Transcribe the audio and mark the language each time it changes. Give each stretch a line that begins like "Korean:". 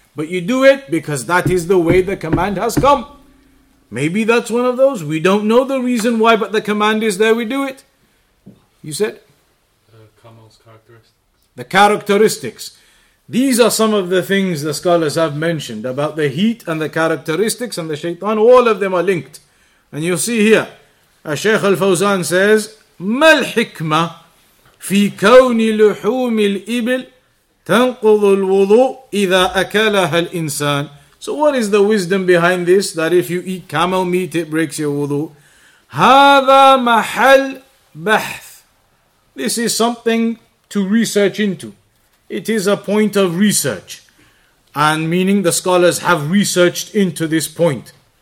English: But you do it because that is the way the command has come. Maybe that's one of those. We don't know the reason why, but the command is there, we do it. You said? Kamal's characteristics. The characteristics. These are some of the things the scholars have mentioned about the heat and the characteristics and the shaitan. All of them are linked. And you'll see here, Shaykh Al-Fawzan says,
Arabic: مَا الْحِكْمَةِ فِي كَوْنِ لُحُومِ الْإِبِلِ تَنْقُضُ الْوُضُوءِ إِذَا أَكَلَهَا الْإِنسَانِ.
English: So what is the wisdom behind this? That if you eat camel meat, it breaks your wudu.
Arabic: هَذَا مَحَلْ بَحْثِ.
English: This is something to research into. It is a point of research. And meaning the scholars have researched into this point.